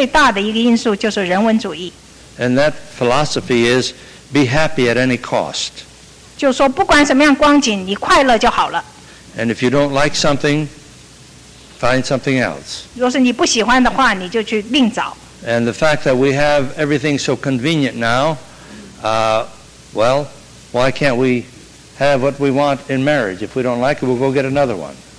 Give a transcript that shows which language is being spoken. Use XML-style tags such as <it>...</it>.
<zh>我想就是今天影响美国社会最大的一个因素就是人文主义。</zh> <en>And that philosophy is be happy at any cost.</en> <zh>就说不管什么样光景，你快乐就好了。</zh> <en>And if you don't like something, find something else.</en> <zh>若是你不喜欢的话，你就去另找。</zh> <en>And the fact that we have everything so convenient now, why can't we have what we want in marriage? If we don't like it, we'll go get another one.</en>